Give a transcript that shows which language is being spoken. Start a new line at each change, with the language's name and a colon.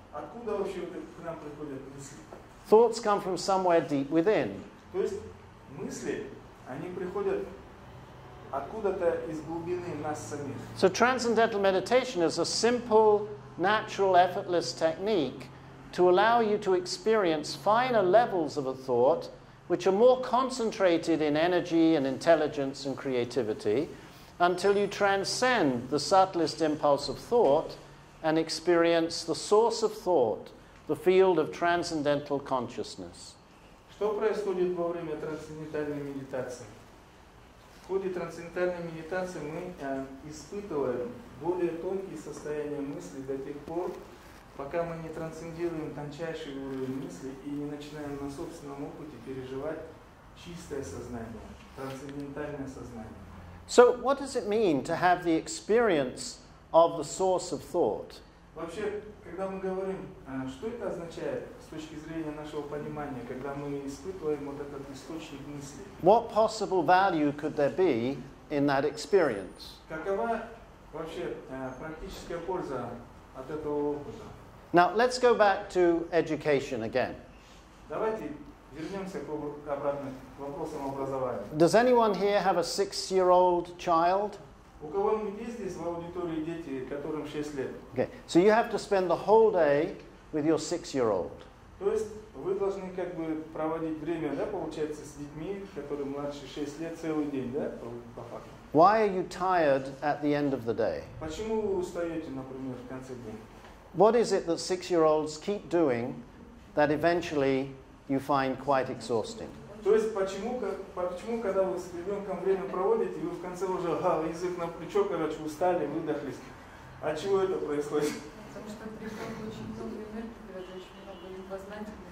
Russian: Откуда вообще к нам приходят мысли?
English: Thoughts come from somewhere deep within.
Russian: То есть, мысли, они приходят откуда-то из глубины нас самих.
English: So transcendental meditation is a simple, natural, effortless technique to allow you to experience finer levels of a thought which are more concentrated in energy and intelligence and creativity until you transcend the subtlest impulse of thought and experience the source of thought, the field of transcendental consciousness.
Russian: Что происходит во время трансцендентальной медитации? В ходе трансцендентальной медитации мы испытываем более тонкие состояния мысли до тех пор, пока мы не трансцендируем тончайший уровень мысли и не начинаем на собственном опыте переживать чистое сознание, трансцендентальное сознание.
English: So what does it mean to have the experience of the source of thought?
Russian: Вообще, когда мы говорим, что это означает с точки зрения нашего понимания, когда мы испытываем вот этот источник мысли?
English: What possible value could there be in that experience?
Russian: Какова вообще практическая польза от этого опыта?
English: Now let's go back to education again.
Russian: Давайте вернемся к обратным вопросам образования.
English: Does anyone here have a six-year-old child?
Russian: У кого-нибудь есть здесь в аудитории дети, которым 6 лет?
English: Okay. So you have to spend the whole day with your six-year-old.
Russian: То есть вы должны как бы проводить время, да, получается, с детьми, которые младше 6 лет, целый день, да, по факту.
English: Why are you tired at the end of the day?
Russian: Почему вы устаете, например, в конце дня?
English: What is it that 6-year-olds keep doing that eventually you find quite exhausting?
Russian: То есть почему когда вы с ребенком время проводите, вы в конце уже язык на плечо, короче, устали, выдохлись. От чего это происходит? Потому что от ребенка очень много энергии, когда очень много любознательности.